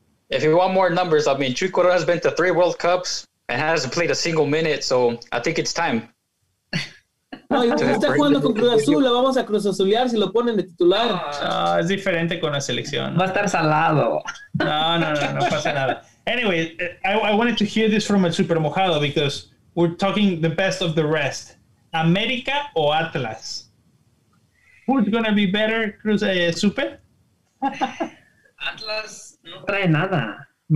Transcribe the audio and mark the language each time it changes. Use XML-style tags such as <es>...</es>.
<en>If you want more numbers, I mean, Chuy Corona has been to 3 World Cups and hasn't played a single minute, so I think it's time.</en> <es>No, y usted está jugando con Cruz Azul, la vamos a Cruz Azulear si lo ponen de titular. No, es diferente con la selección. Va a estar salado. No pasa nada.</es> <en>Anyway, I wanted to hear this from el Super Mojado because we're talking the best of the rest. América o Atlas? Who's going to be better, Cruz Super?</en> <es>Atlas. No trae nada.</es>